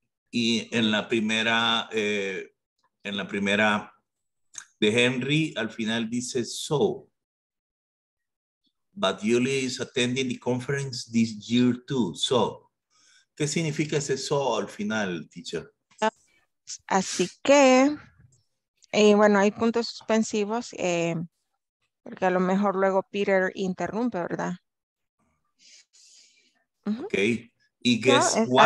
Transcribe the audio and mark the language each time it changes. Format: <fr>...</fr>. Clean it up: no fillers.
<es>Y en la primera de Henry, al final dice so.</es> <en>But Julie is attending the conference this year too.</en> <es>So, ¿qué significa ese so al final, teacher? Así que, bueno, hay puntos suspensivos. Porque a lo mejor luego Peter interrumpe, ¿verdad? Uh-huh. Okay. Y guess no, what?</es>